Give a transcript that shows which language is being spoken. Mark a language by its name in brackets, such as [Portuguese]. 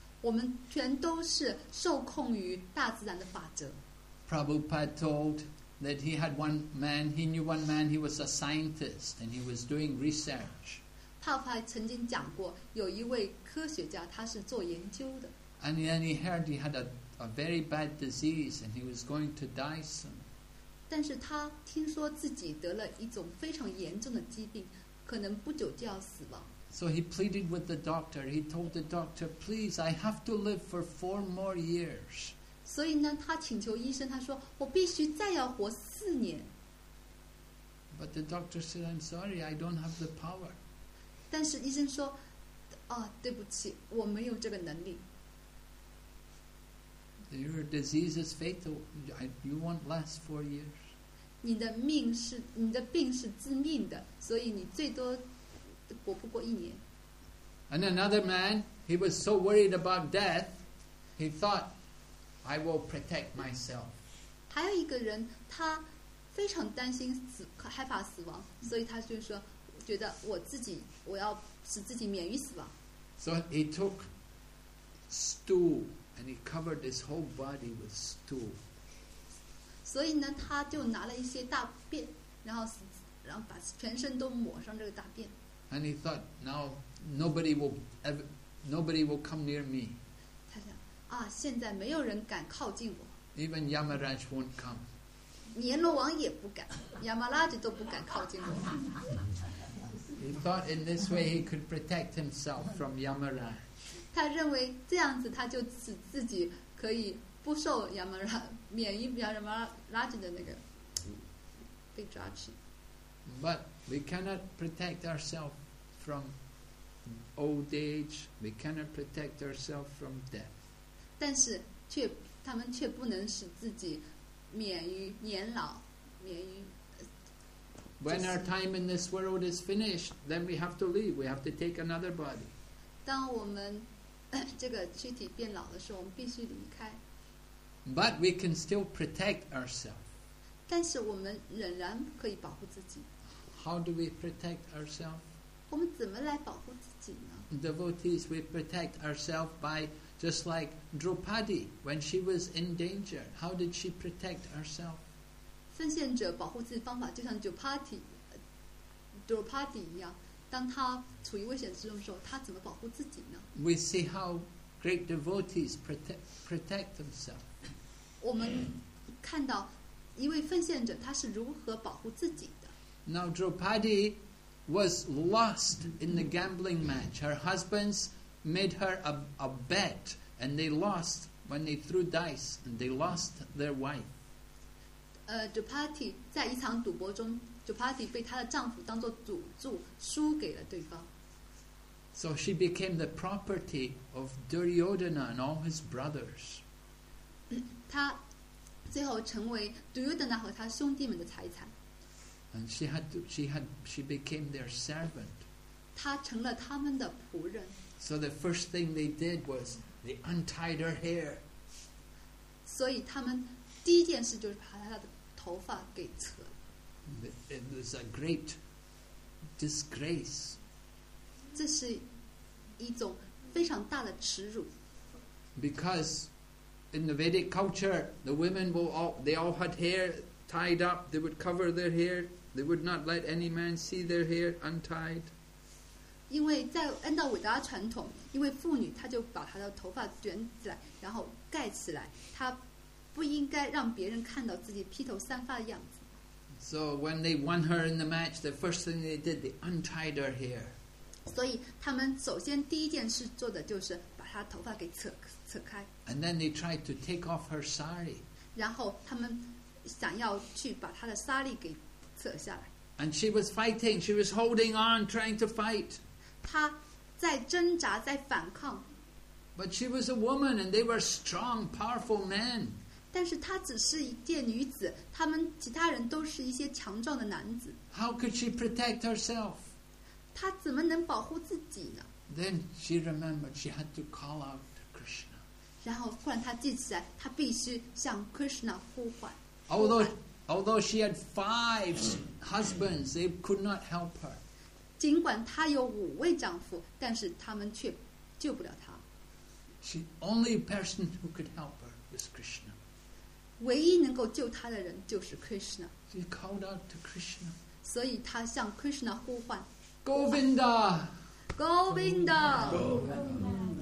[Chinese] 我们全都是受控于大自然的法则。 [English] Prabhupada told that he had one man, he knew one man, he was a scientist and he was doing research. [Chinese] 帕帕曾经讲过，有一位科学家，他是做研究的。 [English] And then he heard he had a very bad disease and he was going to die soon. [Chinese] 但是他听说自己得了一种非常严重的疾病，可能不久就要死亡。 [English] So he pleaded with the doctor. He told the doctor, please, I have to live for 4 more years. [Chinese] 所以呢，他请求医生，他说，我必须再要活四年。 [English] But the doctor said, I'm sorry, I don't have the power. [Chinese] 但是医生说，啊，对不起，我没有这个能力。 [English] Your disease is fatal. You won't last 4 years. [Chinese] 你的命是你的病是致命的，所以你最多活不过一年。 [English] And another man, he was so worried about death, he thought, "I will protect myself." [Chinese] 还有一个人，他非常担心死，害怕死亡，所以他就说，觉得我自己我要使自己免于死亡。 [English] So he took stool. And he covered his whole body with stool. [Chinese] 所以呢，他就拿了一些大便，然后把全身都抹上这个大便。 [English] And he thought, now nobody will come near me. [Chinese] 他想啊，现在没有人敢靠近我。 [English] Even Yamaraj won't come. [Chinese] 阎罗王也不敢，亚麻拉都不敢靠近我。 [English] He thought in this way he could protect himself from Yamaraj. [Chinese] 他认为这样子，他就使自己可以不受亚麻拉免于亚麻拉吉的那个被抓去。 [English] But we cannot protect ourselves from old age. We cannot protect ourselves from death. [Chinese] 但是却他们却不能使自己免于年老，免于。 [English] When our time in this world is finished, then we have to leave. We have to take another body. [Chinese] 当我们这个躯体变老的时候，我们必须离开。 [English] But we can still protect ourselves. [Chinese] 但是我们仍然可以保护自己。 [English] How do we protect ourselves? [Chinese] 我们怎么来保护自己呢？ [English] Devotees, we protect ourselves by just like Draupadi when she was in danger. How did she protect herself? [Chinese] 奉献者保护自己方法就像 Draupadi 一样。当他处于危险之中的时候，他怎么保护自己呢？ [English] We see how great devotees protect themselves. [Chinese] 我们看到一位奉献者，他是如何保护自己的。 [English] Now Draupadi was lost in the gambling match. Her husband's made her a bet, and they lost when they threw dice, and they lost their wife. [Chinese] Draupadi 在一场赌博中。Draupadi 被她的丈夫当作赌注输给了对方。 [English] So she became the property of Duryodhana and all his brothers. [Chinese] 她最后成为杜尤德那和他兄弟们的财产。 [English] And she became their servant. [Chinese] 她成了他们的仆人。 [English] So the first thing they did was they untied her hair. [Chinese] 所以他们第一件事就是把她的头发给扯了。 [English] It was a great disgrace. [Chinese] 这是一种非常大的耻辱。 [English] Because in the Vedic culture, the women all had hair tied up. They would cover their hair. They would not let any man see their hair untied. [Chinese] 因为在按照伟大传统，因为妇女她就把她的头发卷起来，然后盖起来，她不应该让别人看到自己披头散发的样子。 [English] So when they won her in the match, the first thing they did, they untied her hair. [Chinese] 所以他们首先第一件事做的就是把她头发给扯。 [English] And then they tried to take off her sari. [Chinese] 然后他们想要去把她的纱丽给扯下来。 [English] And she was fighting. She was holding on, trying to fight. [Chinese] 她在挣扎，在反抗。 [English] But she was a woman, and they were strong, powerful men. [Chinese] 但是她只是一介女子，他们其他人都是一些强壮的男子。 [English] How could she protect herself? [Chinese] 她怎么能保护自己呢？ [English] Then she remembered she had to call out. [Chinese] 然后忽然她记起来，她必须向 Krishna 呼唤。 [English] Although she had five husbands, they could not help her. [Chinese] 尽管她有五位丈夫，但是他们却救不了她。 [English] She only person who could help her was Krishna. [Chinese] 唯一能够救她的人就是 Krishna. [English] She called out to Krishna. [Chinese] 所以她向 Krishna 呼唤。 [Sanskrit] Govinda. Govinda. Govinda.